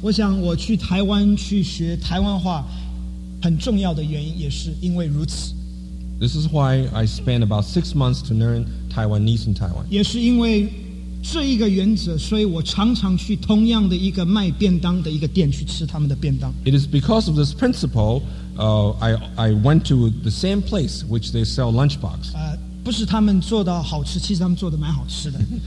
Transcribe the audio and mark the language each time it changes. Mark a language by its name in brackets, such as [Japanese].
[Chinese] 我想我去台湾去学台湾话，很重要的原因也是因为如此。 [English] This is why I spent about 6 months to learn Taiwanese in Taiwan. [Chinese] 也是因为这一个原则，所以我常常去同样的一个卖便当的一个店去吃他们的便当。 [English] It is because of this principle, I went to the same place which they sell lunchbox. [Chinese] 不是他们做的好吃，其实他们做的蛮好吃的。